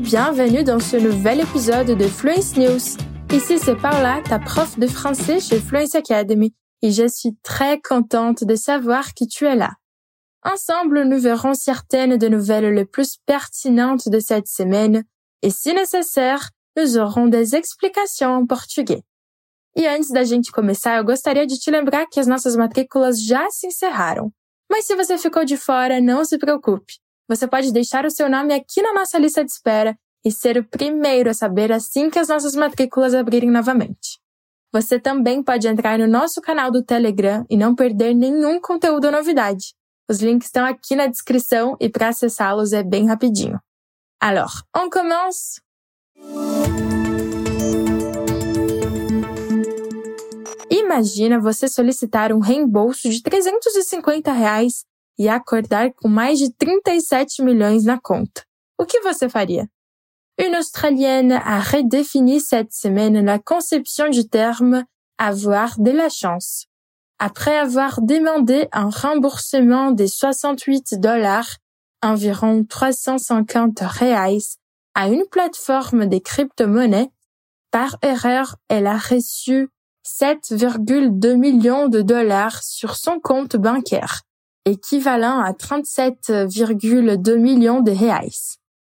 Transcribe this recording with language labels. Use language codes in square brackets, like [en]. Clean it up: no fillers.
[fr] Bienvenue dans ce nouvel épisode de Fluence News. Ici, c'est Paula, ta prof de français chez Fluence Academy. Et je suis très contente de savoir que tu es là. Ensemble, nous verrons certaines des nouvelles les plus pertinentes de cette semaine. Et si nécessaire, nous aurons des explications en portugais. [pt] E antes da gente começar, eu gostaria de te lembrar que as nossas matrículas já se encerraram. Mas se você ficou de fora, não se preocupe. Você pode deixar o seu nome aqui na nossa lista de espera e ser o primeiro a saber assim que as nossas matrículas abrirem novamente. Você também pode entrar no nosso canal do Telegram e não perder nenhum conteúdo ou novidade. Os links estão aqui na descrição e para acessá-los é bem rapidinho. [fr] Alors, on commence! [pt] Imagina você solicitar um reembolso de R$350 e acordar com mais de 37 milhões na conta. O que você faria? [fr] Une Australienne a redéfini cette semaine la conception du terme « avoir de la chance ». Après avoir demandé un remboursement des $68, environ R$350, à une plateforme des crypto-monnaies, par erreur, elle a reçu 7,2 millions de dollars sur son compte bancaire, équivalent à 37,2 millions de reais.